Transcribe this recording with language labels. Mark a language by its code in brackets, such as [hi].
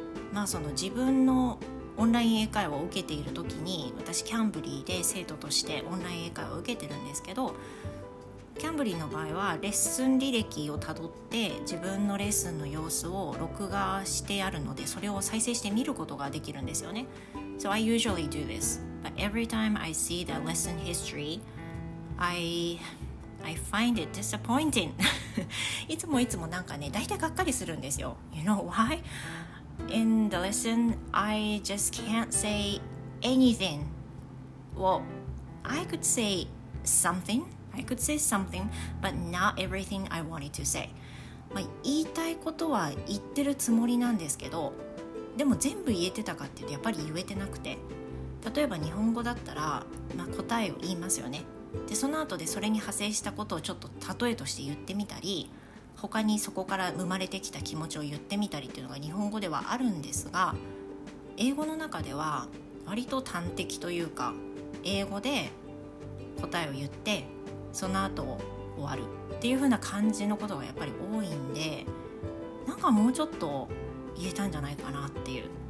[ja] まあ、その自分のオンライン英会話を受けている時に、私キャンブリーで生徒としてオンライン英会話を受けてるんですけど、キャンブリーの場合はレッスン履歴をたどって自分のレッスンの様子を録画してあるので、それを再生して見ることができるんですよね。 [en] So I usually do this, but every time I see the lesson history, I find it disappointing. [ja] いつもいつもなんかね、大体がっかりするんですよ。 [en] You know why? In the lesson, I just can't say anything. Well, I could say something, but not everything I wanted to say. [ja] まあ、言いたいことは言ってるつもりなんですけど、でも全部言えてたかっていうとやっぱり言えてなくて、例えば日本語だったら、まあ、答えを言いますよね。で、その後でそれに派生したことをちょっと例えとして言ってみたり、他にそこから生まれてきた気持ちを言ってみたりっていうのが日本語ではあるんですが、英語の中では割と端的というか、英語で答えを言ってその後終わるっていう風な感じのことがやっぱり多いんで、なんかもうちょっと言えたんじゃないかなっていう。